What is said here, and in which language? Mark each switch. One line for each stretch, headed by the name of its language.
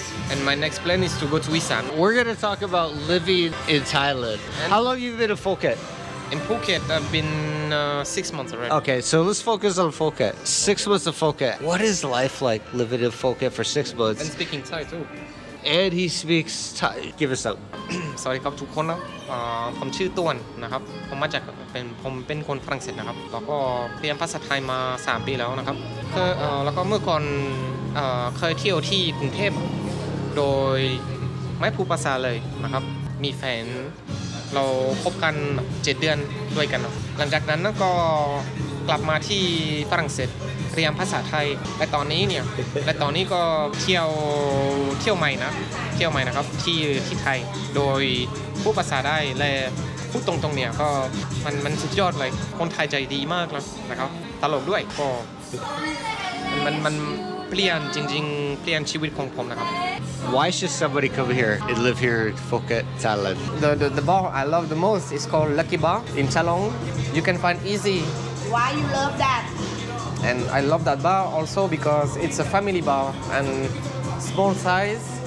English: And my next plan is to go to Isan. We're gonna talk about living in Thailand. And how long have you been in Phuket? In Phuket, I've been 6 months already. Okay, so let's focus on Phuket. Six months of Phuket. What is life like living in Phuket for 6 months? And speaking Thai too. And he speaks Thai. Give us up.
Thai: Sorry, ครับทุกคนนะผมชื่อต้วนนะครับผมมาจากผมเป็นคนฝรั่งเศสนะครับแล้วก็เรียนภาษาไทยมา3ปีแล้วนะครับคือแล้วก็เมื่อก่อน เคยเที่ยวที่กรุงเทพโดยไม่พูดภาษาเลยนะครับมีแฟนเราคบกัน7เดือนด้วยกันหลังจากนั้นก็กลับมาที่ฝรั่งเศสเรียนภาษาไทยและตอนนี้เนี่ยและตอนนี้ก็เที่ ยวใหม่นะเที่ยวใหม่นะครับที่ไทยโดยพูดภาษาได้และพูดตรงๆเนี่ยก็มันสุดยอดเลยคนไทยใจดีมากนะครับตลกด้วยก็มันเปลี่ยนจริงๆเปลี่ยนชีวิตของผมนะครับ
English: Why should somebody come here and live here in Phuket, Thailand? The bar I love the most is called Lucky Bar in Chalong. You can find easy. Why you love that? And I love that bar also because it's a family bar and small size.